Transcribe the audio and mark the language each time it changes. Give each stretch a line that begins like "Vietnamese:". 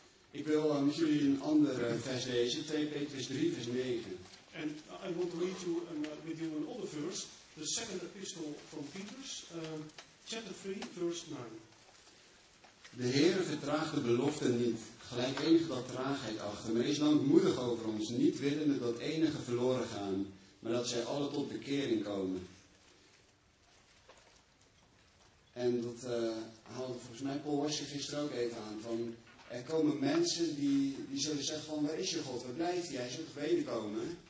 Dutch: Ik wil met jullie een andere vers lezen, 2 Petrus 3 vers 9.
English: And I want to read you with you another verse, the second epistle from Peter's, chapter 3, verse 9.
Dutch: De Heere vertraagt de belofte niet, gelijk enige dat traagheid achter, maar is langmoedig over ons, niet willende dat enige verloren gaan, maar dat zij alle tot bekering komen. En dat haalde volgens mij Paul Washer gisteren ook even aan, van er komen mensen die zullen zeggen van waar is je God, waar blijft hij, hij zult gebeden komen.